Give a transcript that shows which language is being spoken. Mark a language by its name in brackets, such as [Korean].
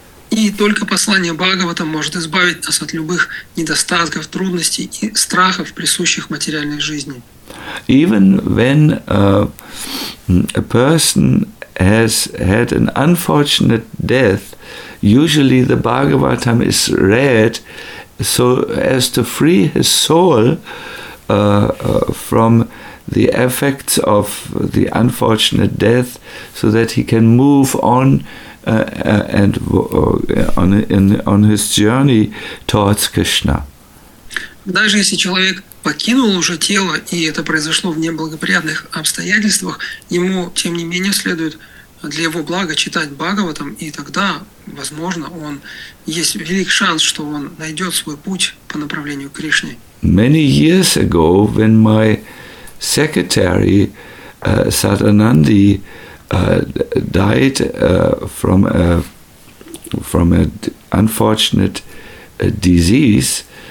[Russian] И только послание Бхагаватам может избавить нас от любых недостатков, трудностей и страхов, присущих материальной жизни. [English] Even when a person has had an unfortunate death, usually the Bhagavatam is read so as to free his soul from the effects of the unfortunate death, so that he can move on on his journey towards Krishna. [Russian] Даже если человек покинул уже тело и это произошло в неблагоприятных обстоятельствах, ему тем не менее следует для его блага читать Бхагаватам, и тогда, возможно, он есть велик шанс, что он найдет свой путь по направлению к Кришне. [English] Many years ago, when my secretary Sadanandi died from a unfortunate disease,